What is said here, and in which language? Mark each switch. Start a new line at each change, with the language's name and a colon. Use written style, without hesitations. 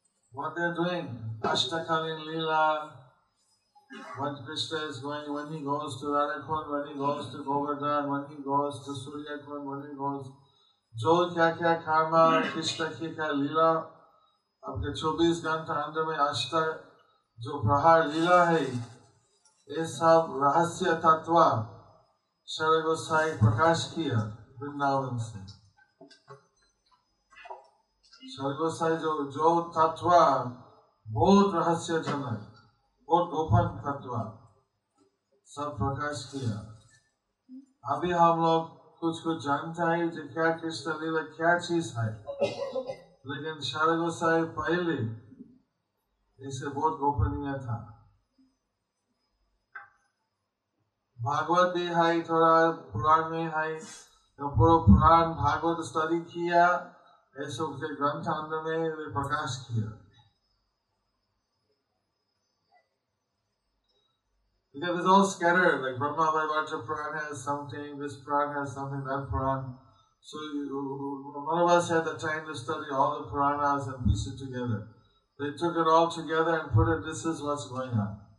English: What they're doing,
Hindi: अष्टकालीन Leela,
English: what Krishna is going, when he goes to Radhakund, when he goes to Govardhan, when he goes to Suryakund, when he goes,
Hindi: जो क्या क्या कर्मा, कृष्ण की क्या लीला, आपके 24 घंटा अंदर में अष्टक, जो प्रहर लीला है, इस सब रहस्य तत्व. श्रील गोसाई प्रकाश कीया, वृन्दावन से. श्रील गोसाई जो तत्त्व, भोत रहस्य जनक, भोत गोपन तत्त्व, सब प्रकाश कीया. अभी हम लोग कुछ कुछ जानता है, जे क्या कृष्ण लीला, क्या चीज़ है. लेकिन श्रील गोसाई पहले, इससे भोत गोपनीय था. भागवद भी है, थोड़ा पुराण भी है. जो पुरो पुराण भागवद स्टडी किया, ऐसे उसके ग्रंथ अंदर में भी प्रकाश किया.
English: Because it's all scattered, like Brahma Vaivarta Puran has something, this Puran has something, that Puran. So none of us had the time to study all the Puranas and piece it together. They took it all together and put it, this is what's going on.